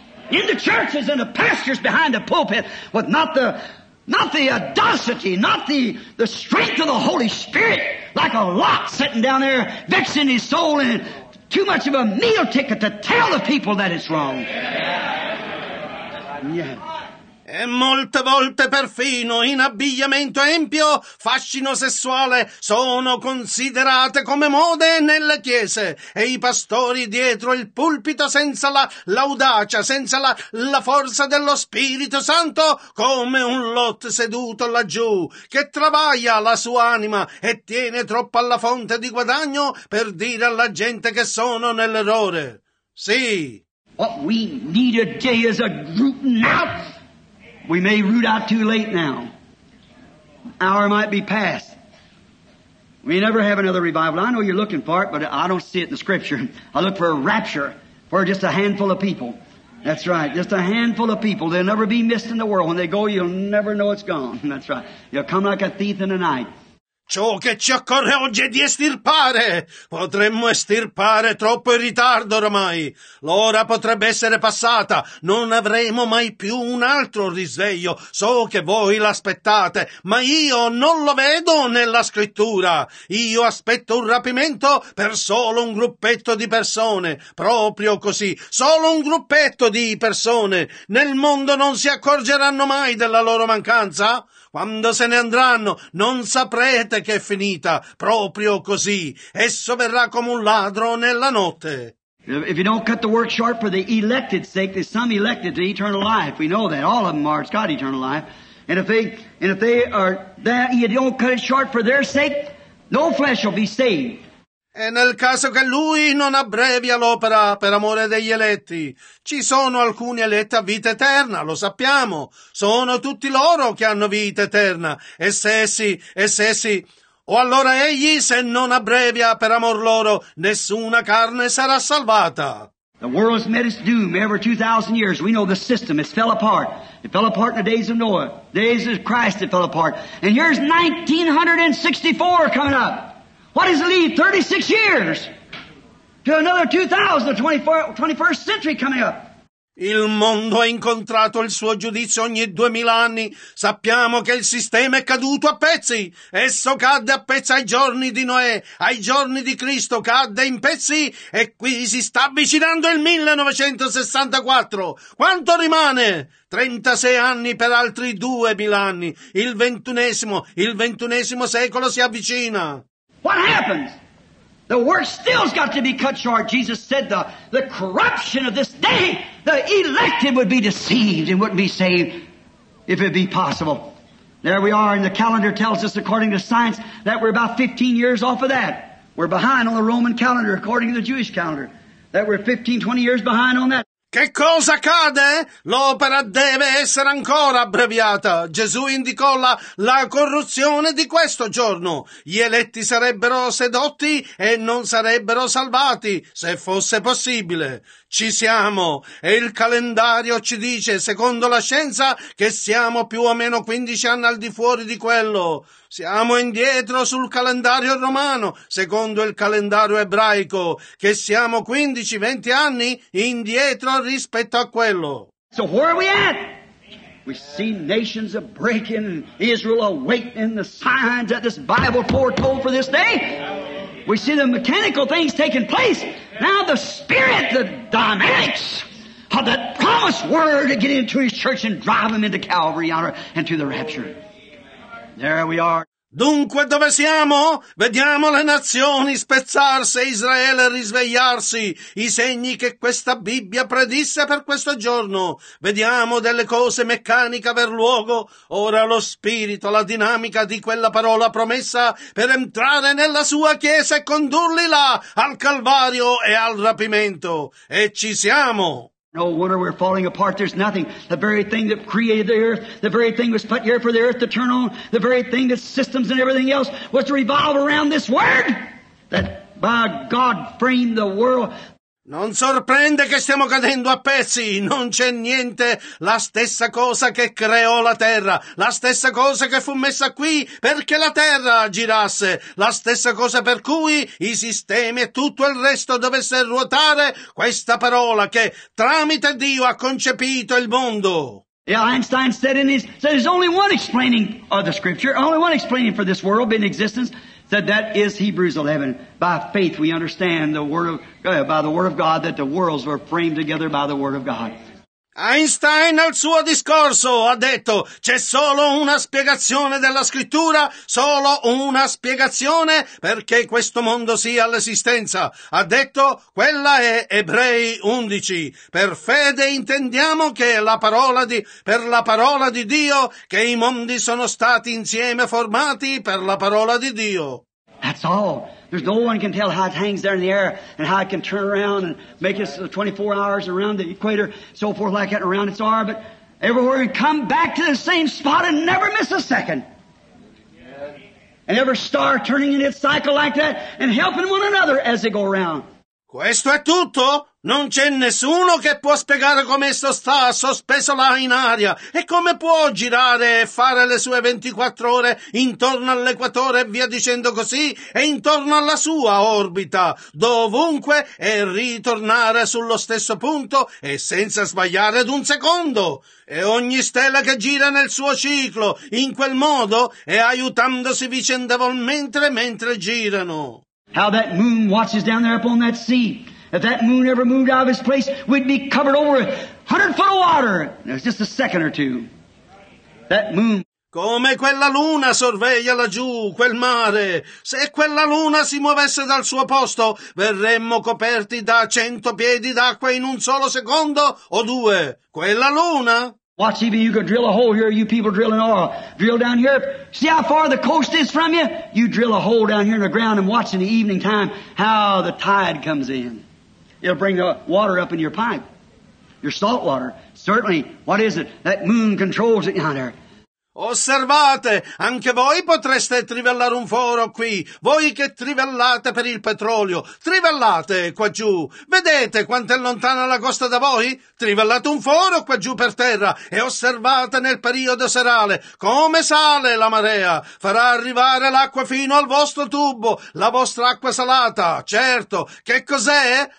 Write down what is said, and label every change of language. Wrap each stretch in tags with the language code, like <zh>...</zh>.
<en>In the churches and the pastors behind the pulpit, but not the audacity, not the strength of the Holy Spirit, like a Lot sitting down there vexing his soul and too much of a meal ticket to tell the people that it's wrong. Yeah.</en> <it>E molte volte perfino in abbigliamento empio, fascino sessuale, sono considerate come mode nelle chiese. E i pastori dietro il pulpito senza l'audacia, senza la forza dello Spirito Santo, come un Lot seduto laggiù, che travaglia la sua anima e tiene troppo alla fonte di guadagno per dire alla gente che sono nell'errore. Sì.</it> <en>What we need today is a root now. We may root out too late now. Hour might be past. We never have another revival. I know you're looking for it, but I don't see it in the Scripture. I look for a rapture for just a handful of people. That's right, just a handful of people. They'll never be missed in the world. When they go, you'll never know it's gone. That's right. You'll come like a thief in the night.</en> <it>Ciò che ci occorre oggi è di estirpare. Potremmo estirpare troppo in ritardo ormai. L'ora potrebbe essere passata. Non avremo mai più un altro risveglio. So che voi l'aspettate, ma io non lo vedo nella scrittura. Io aspetto un rapimento per solo un gruppetto di persone. Proprio così. Solo un gruppetto di persone. Nel mondo non si accorgeranno mai della loro mancanza? Quando se ne andranno, non saprete che è finita, proprio così. Esso verrà come un ladro nella notte.</it> <en>If you don't cut the work short for the elected's sake, there's some elected to eternal life. We know that. All of them are. It's got eternal life. And if they are that, you don't cut it short for their sake, no flesh will be saved.</en> <it>E nel caso che lui non abbrevia l'opera per amore degli eletti, ci sono alcuni eletti a vita eterna, lo sappiamo, sono tutti loro che hanno vita eterna, essi, o allora egli, se non abbrevia per amor loro, nessuna carne sarà salvata.</it> <en>The world has met its doom every 2,000 years. We know the system. It's fell apart. It fell apart in the days of Noah, days of Christ it fell apart. And here's 1964 coming up. What does it lead? 36 years to another 2000, the 21st century coming up.</en> <it>Il mondo ha incontrato il suo giudizio ogni 2000 anni. Sappiamo che il sistema è caduto a pezzi. Esso cadde a pezzi ai giorni di Noè, ai giorni di Cristo cadde in pezzi e qui si sta avvicinando il 1964. Quanto rimane? 36 anni per altri 2000 anni. Il ventunesimo secolo si avvicina.</it> <en>What happens? The work still's got to be cut short. Jesus said the corruption of this day, the elected would be deceived and wouldn't be saved if it be possible. There we are, and the calendar tells us, according to science, that we're about 15 years off of that. We're behind on the Roman calendar, according to the Jewish calendar, that we're 15, 20 years behind on that.</en> <it>Che cosa accade? L'opera deve essere ancora abbreviata. Gesù indicò la corruzione di questo giorno. Gli eletti sarebbero sedotti e non sarebbero salvati, se fosse possibile. Ci siamo, e il calendario ci dice, secondo la scienza, che siamo più o meno 15 anni al di fuori di quello. Siamo indietro sul calendario romano, secondo il calendario ebraico, che siamo 15-20 anni indietro rispetto a quello.</it> <en>So where are we at? We see nations are breaking, Israel awaiting the signs that this Bible foretold for this day. We see the mechanical things taking place. Now the spirit, the dynamics of that promised word to get into his church and drive him into Calvary and to the rapture. There we are.</en> <it>Dunque dove siamo? Vediamo le nazioni spezzarsi e Israele risvegliarsi, i segni che questa Bibbia predisse per questo giorno. Vediamo delle cose meccaniche aver luogo, ora lo spirito, la dinamica di quella parola promessa per entrare nella sua chiesa e condurli là, al Calvario e al rapimento. E ci siamo!</it> <en>No wonder we're falling apart. There's nothing. The very thing that created the earth, the very thing that was put here for the earth to turn on, the very thing that systems and everything else was to revolve around this word that by God framed the world.</en> <it>Non sorprende che stiamo cadendo a pezzi. Non c'è niente. La stessa cosa che creò la terra. La stessa cosa che fu messa qui perché la terra girasse. La stessa cosa per cui i sistemi e tutto il resto dovesse ruotare questa parola che tramite Dio ha concepito il mondo.</it> <en>Yeah, Einstein said in his, said there's only one explaining of the scripture, only one explaining for this world in existence. Said that is Hebrews 11. By faith we understand the word of by the word of God that the worlds were framed together by the word of God.</en> <it>Einstein al suo discorso ha detto c'è solo una spiegazione della scrittura, solo una spiegazione perché questo mondo sia all'esistenza. Ha detto quella è Ebrei 11. Per fede intendiamo che la parola di per la parola di Dio che i mondi sono stati insieme formati per la parola di Dio.</it> <en>That's all. There's no one can tell how it hangs there in the air and how it can turn around and make it 24 hours around the equator, so forth like that, around its orbit. Everywhere we come back to the same spot and never miss a second. And every star turning in its cycle like that and helping one another as they go around.</en> <it>Questo è tutto. Non c'è nessuno che può spiegare come esso sta sospeso là in aria e come può girare e fare le sue 24 ore intorno all'equatore e via dicendo così e intorno alla sua orbita, dovunque e ritornare sullo stesso punto e senza sbagliare d'un secondo. E ogni stella che gira nel suo ciclo in quel modo e aiutandosi vicendevolmente mentre girano.</it> <en>How that moon watches down there upon that sea. If that moon ever moved out of its place, we'd be covered over 100 foot of water. It's just a second or two. That moon.</en> <it>Come quella luna sorveglia laggiù quel mare. Se quella luna si muovesse dal suo posto, verremmo coperti da 100 piedi d'acqua in un solo secondo o due. Quella luna.</it> <en>Watch, even you could drill a hole here, you people drilling oil. Drill down here. See how far the coast is from you? You drill a hole down here in the ground and watch in the evening time how the tide comes in. It'll bring the water up in your pipe, your salt water. Certainly, what is it? That moon controls it down there.</en> <it>Osservate, anche voi potreste trivellare un foro qui, voi che trivellate per il petrolio, trivellate qua giù, vedete quanto è lontana la costa da voi? Trivellate un foro qua giù per terra e osservate nel periodo serale come sale la marea, farà arrivare l'acqua fino al vostro tubo, la vostra acqua salata, certo, che cos'è?</it>